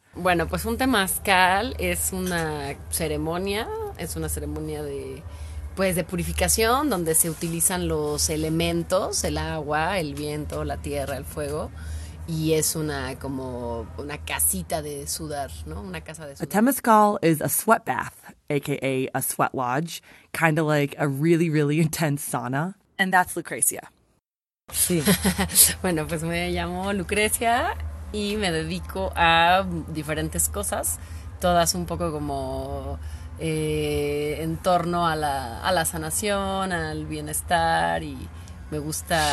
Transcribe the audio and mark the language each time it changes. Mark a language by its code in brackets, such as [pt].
[es] Bueno, pues un temezcal es una ceremonia de, pues de purificación, donde se utilizan los elementos, el agua, el viento, la tierra, el fuego, y es una como una casita de sudar, ¿no? Una casa de sudar. [en] A temezcal is a sweat bath, aka a sweat lodge, kind of like a really, really intense sauna. And that's Lucrecia. [es] Sí. Bueno, pues me llamo Lucrecia y me dedico a diferentes cosas, todas un poco como en torno a la sanación, al bienestar y me gusta.